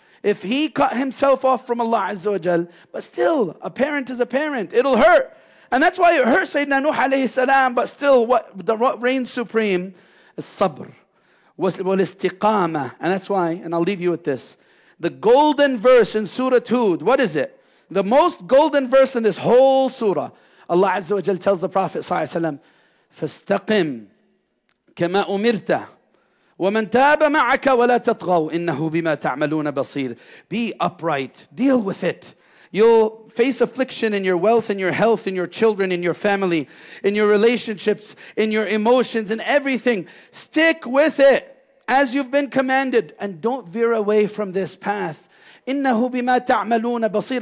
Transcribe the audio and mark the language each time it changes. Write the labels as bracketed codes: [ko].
[en] If he cut himself off from Allah Azza wa Jal, but still, a parent is a parent, it'll hurt. And that's why it hurt Sayyidina Nuh alayhi salam, but still, what reigns supreme is sabr, wal istiqama. And that's why, and I'll leave you with this, the golden verse in Surah Hud, what is it? The most golden verse in this whole surah. Allah Azza wa Jal tells the Prophet Sallallahu Alaihi Wasallam, [ar] فَاسْتَقِمْ كَمَا أُمِرْتَ وَمَنْ تَابَ مَعَكَ وَلَا تَطْغَوْا إِنَّهُ بِمَا تَعْمَلُونَ بَصِيرٌ. [en] Be upright. Deal with it. You'll face affliction in your wealth, in your health, in your children, in your family, in your relationships, in your emotions, in everything. Stick with it as you've been commanded. And don't veer away from this path. [ar] إِنَّهُ بِمَا تَعْمَلُونَ بَصِيرٌ.